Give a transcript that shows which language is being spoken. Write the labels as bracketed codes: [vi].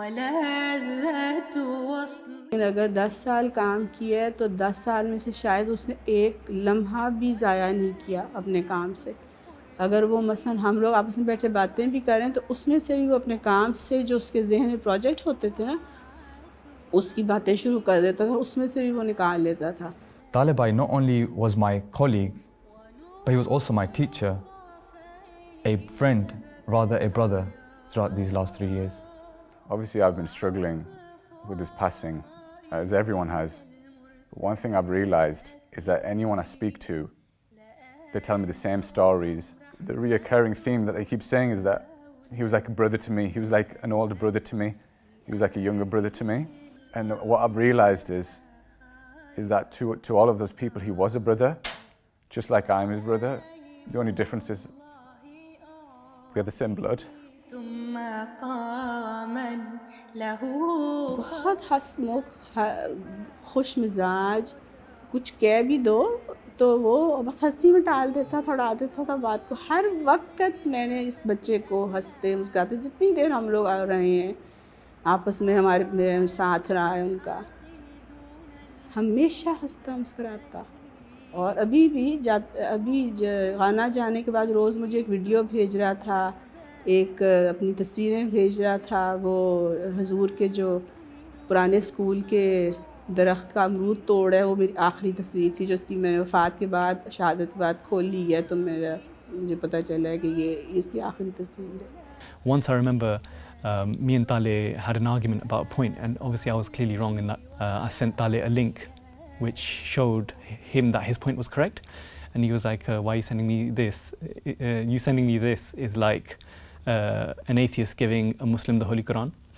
[ur] لیکن اگر 10 سال کام کیا ہے تو 10 سال میں سے شاید اس نے ایک لمحہ بھی ضائع نہیں کیا اپنے کام سے اگر وہ مثلا ہم لوگ آپس میں بیٹھے باتیں بھی کریں تو اس میں سے بھی وہ اپنے کام سے جو اس کے ذہن میں پروجیکٹ ہوتے تھے نا اس کی باتیں شروع کر دیتا تھا اس میں سے بھی وہ نکال لیتا تھا [en] طالب بھائی not only was my colleague but he was also my teacher a friend rather a brother throughout these last 3 years Obviously, I've been struggling with his passing, as everyone has. But one thing I've realized is that anyone I speak to, they tell me the same stories. The reoccurring theme that they keep saying is that he was like a brother to me. He was like an older brother to me. He was like a younger brother to me. And what I've realized is that to all of those people, he was a brother, just like I'm his brother. The only difference is we have the same blood. [ur] بہت ہنس مکھ خوش مزاج کچھ کہہ بھی دو تو وہ بس ہنسی میں ٹال دیتا تھا اڑا دیتا تھا بات کو ہر وقت میں نے اس بچے کو ہنستے مسکراتے جتنی دیر ہم لوگ آ رہے ہیں آپس میں ہمارے میرے ساتھ رہا ہے ان کا ہمیشہ ہنستا مسکراتا اور ابھی بھی ابھی گانا جانے کے بعد روز مجھے ایک ویڈیو بھیج رہا تھا ایک اپنی تصویریں بھیج رہا تھا وہ حضور کے جو پرانے اسکول کے درخت کا امرود توڑ ہے وہ میری آخری تصویر تھی جو اس کی میں نے وفات کے بعد شہادت کے بعد کھول لی ہے تو میرا مجھے پتہ چلا ہے کہ یہ اس کی آخری تصویر ہے [en] Once I remember me and Taalay had an argument about a point and obviously I was clearly wrong in that I sent Taalay a link which showed him that his point was correct and he was like why are you sending me this you sending me this is like an atheist giving a Muslim the Holy Quran.